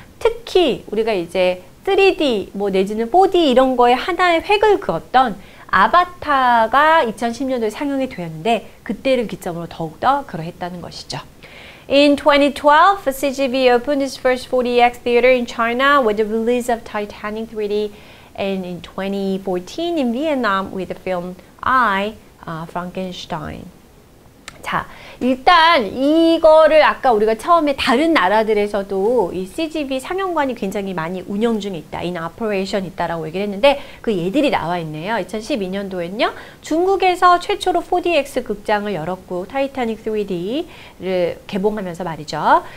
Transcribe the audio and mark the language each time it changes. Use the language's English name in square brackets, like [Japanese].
[Korean] 특히 우리가 이제 3D 뭐 내지는 4D 이런 거에 하나의 획을 그었던 아바타가 2010년도에 상영이 되었는데 그때를 기점으로 더욱더 그러했다는 것이죠. [English] In 2012, CGV opened its first 4DX theater in China with the release of Titanic 3D, and in 2014 in Vietnam with the film I, Frankenstein. [Korean] 자, 일단 이거를 아까 우리가 처음에 다른 나라들에서도 이 CGV 상영관이 굉장히 많이 운영 중에 있다, [English] in operation [Korean] 있다라고 얘기를 했는데 그 예들이 나와 있네요. 2012년도에는요, 중국에서 최초로 4DX 극장을 열었고 타이타닉 3D를 개봉하면서 말이죠.